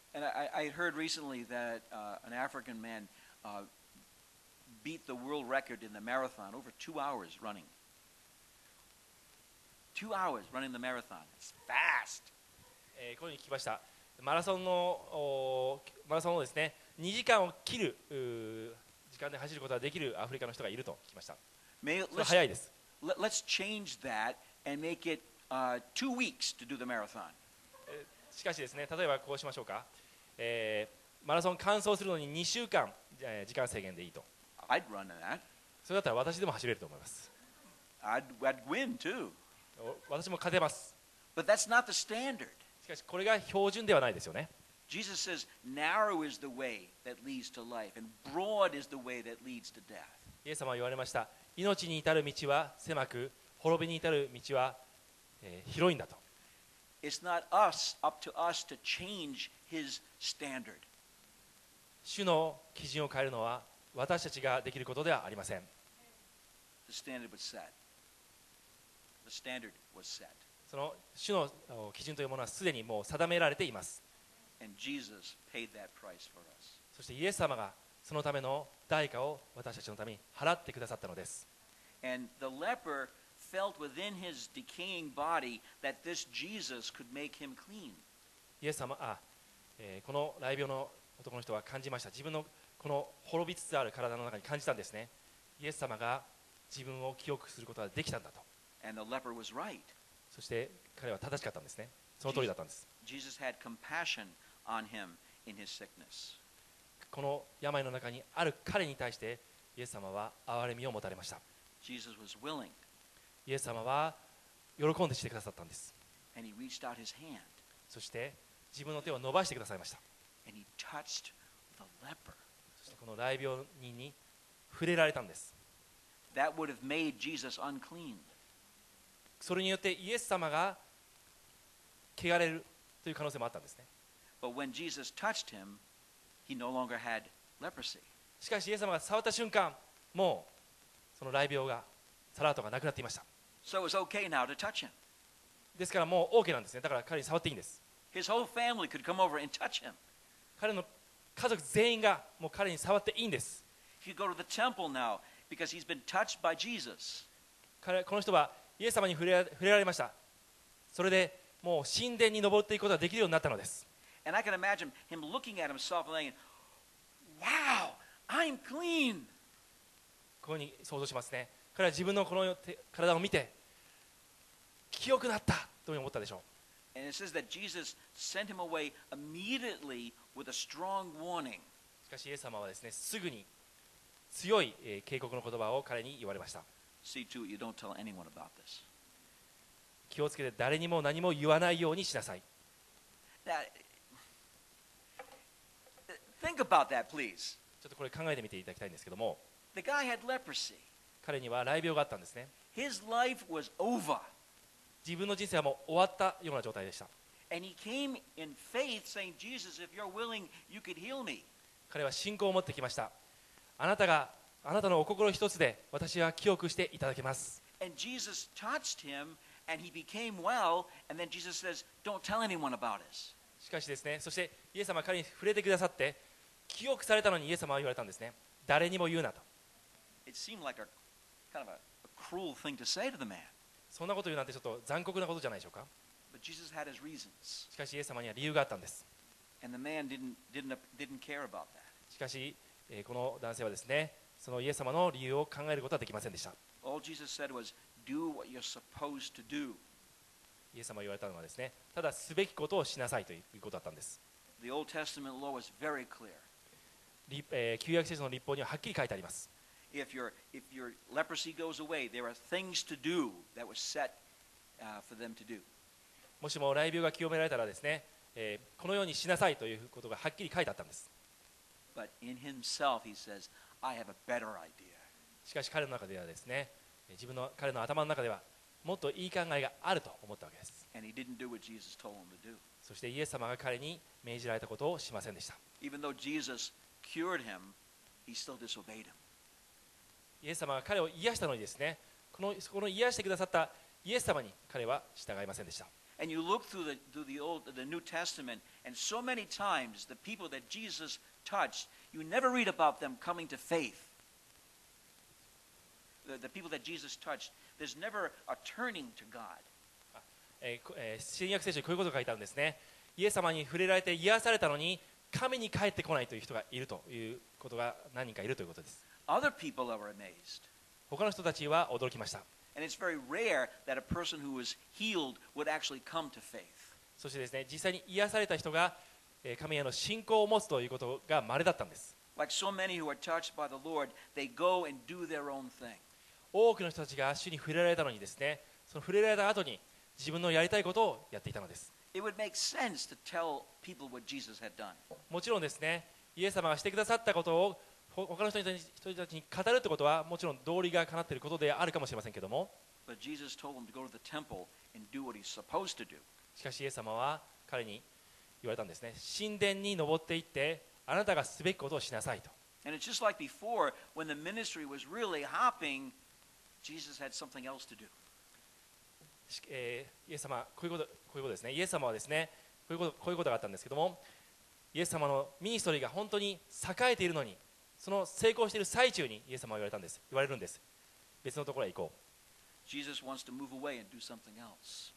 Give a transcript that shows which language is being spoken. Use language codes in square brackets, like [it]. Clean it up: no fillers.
[en] And I heard recently that an African man beat the world record in the marathon over 2 hours running. Two hours running the marathon. It's fast. [ja] こういうふうに聞きました。マラソンのですね、2時間を切る時間で走ることができるアフリカの人がいると聞きました。それは早いです。 [en] Let's change that and make it two weeks to do the marathon. [ja] しかしですね、例えばこうしましょうか。マラソン完走するのに2週間、時間制限でいいと。 [en] I'd run that. [ja] それだったら私でも走れると思います。 [en] I'd win too. [ja] 私も勝てます。 [en] But that's not the standard. [ja] しかしこれが標準ではないですよね。 [en] Jesus says, narrow is the way that leads to life, and broad is the way that leads to death. [ja] イエス様は言われました。命に至る道は狭く、滅びに至る道は、広いんだと。 [en] It's not us, up to us to change his standard. [ja] 主の基準を変えるのは私たちができることではありません。 [en] The standard was set. The standard was set. [ja] その主の基準というものはすでにもう定められています。 [en] And Jesus paid that price for us. [ja] そしてイエス様がそのための代価を私たちのために払ってくださったのです。 [en] And the leper felt within his decaying body that this Jesus could make him clean. [ja] イエス様、この癩病の男の人は感じました。自分のこの滅びつつある体の中に感じたんですね。イエス様が自分を清くすることができたんだと。 [en] And the leper was right. [ja] そして彼は正しかったんですね。その通りだったんです。 [en] Jesus had compassion on him in his sickness. [ja] この病の中にある彼に対してイエス様は憐れみを持たれました。 [en] Jesus was willing. [ja] イエス様は喜んでしてくださったんです。 [en] And he reached out his hand. [ja] そして自分の手を伸ばしてくださいました。 [en] And he touched the leper. [ja] そしてこの癩病人に触れられたんです。 [en] That would have made Jesus unclean. [ja] それによってイエス様が汚れるという可能性もあったんですね。 [en] But when Jesus touched him, he no longer had leprosy. [ja] しかしイエス様が触った瞬間、もうその癩病が、サラートがなくなっていました。 [en] So it's okay now to touch him. [ja] ですからもう OK なんですね。だから彼に触っていいんです。 [en] His whole family could come over and touch him. [ja] 彼の家族全員がもう彼に触っていいんです。 [en] He could go to the temple now because he's been touched by Jesus. [ja] この人はイエス様に触れられました。それでもう神殿に登っていくことができるようになったのです。 [en] And I can imagine him looking at himself and thinking, "Wow, I'm clean." [ja] こういうふうに想像しますね。彼は自分のこの体を見て、清くなったと思ったでしょう。 [en] And it says that Jesus sent him away immediately with a strong warning. [ja] しかしイエス様はですね、すぐに強い警告の言葉を彼に言われました。 [en] See to it you don't tell anyone about this. [ja] 気をつけて誰にも何も言わないようにしなさい。 [en] That, think about that, please. [ja] ちょっとこれ考えてみていただきたいんですけども。 [en] The guy had leprosy. [ja] 彼には雷病があったんですね。 [en] His life was over. [ja] 自分の人生はもう終わったような状態でした。 [en] And he came in faith, saying, "Jesus, if you're willing, you could heal me." [ja] 彼は信仰を持ってきました。あなたのお心一つで私は清くしていただけます。 [en] And Jesus touched him, and he became well. And then Jesus says, "Don't tell anyone about this." [ja] しかしですね、そしてイエス様は彼に触れてくださって清くされたのにイエス様は言われたんですね。誰にも言うなと。 [en] It seemed like a kind of a cruel thing to say to the man. [ja] そんなこと言うなんてちょっと残酷なことじゃないでしょうか。 [en] But Jesus had his reasons. [ja] しかしイエス様には理由があったんです。 [en] And the man didn't care about that. [ja] しかし、この男性はですね、そのイエス様の理由を考えることはできませんでした。 [en] All Jesus said was, "Do what you're supposed to do." [ja] イエス様が言われたのはですね、ただすべきことをしなさいということだったんです。 [en] The Old Testament law was very clear. [ja] 旧約聖書の律法にははっきり書いてあります。 [en] If your leprosy goes away, there are things to do that was set for them to do. [ja] もしも雷病が清められたらですね、このようにしなさいということがはっきり書いてあったんです。 [en] But in himself, he says, "I have a better idea." [ja] しかし彼の中ではですね、彼の頭の中ではもっといい考えがあると思ったわけです。 [en] And he didn't do what Jesus told him to do. [ja] そしてイエス様が彼に命じられたことをしませんでした。 [en] Even though Jesus cured him, he still disobeyed him. [ja] イエス様が彼を癒したのにですね、この癒してくださったイエス様に彼は従いませんでした。 [en] And you look through the New Testament, and so many times the people that Jesus touched, you never read about them coming to faith. The people that Jesus touched, there's never a turning to God. [ja] 新約聖書にこういうことが書いてあるんですね。イエス様に触れられて癒されたのに神に帰ってこないという人がいるということが何人かいるということです。 [en] Other people are amazed. [ja] 他の人たちは驚きました。 [en] And it's very rare that a person who was healed would actually come to faith. [ja] そしてですね、実際に癒された人が神への信仰を持つということが稀だったんです。 [en] Like so many who are touched by the Lord, they go and do their own thing. [ja] 多くの人たちが主に触れられたのにですね、その触れられた後に自分のやりたいことをやっていたのです。 [en] It would make sense to tell people what Jesus had done. [ja] もちろんですね、イエス様がしてくださったことを他の人たちに語るということはもちろん道理がかなっていることであるかもしれませんけども、しかしイエス様は彼に言われたんですね。神殿に登って行ってあなたがすべきことをしなさいと。 [en] And it's just like before, when the ministry was really hopping, Jesus had something else to do. [ja] イエス様こういうことですね。イエス様はですね、こういうことがあったんですけども、イエス様のミニストリーが本当に栄えているのに。その成功している最中にイエス様は言われるんです。別のところへ行こう。 [en] Jesus wants to move away and do something else.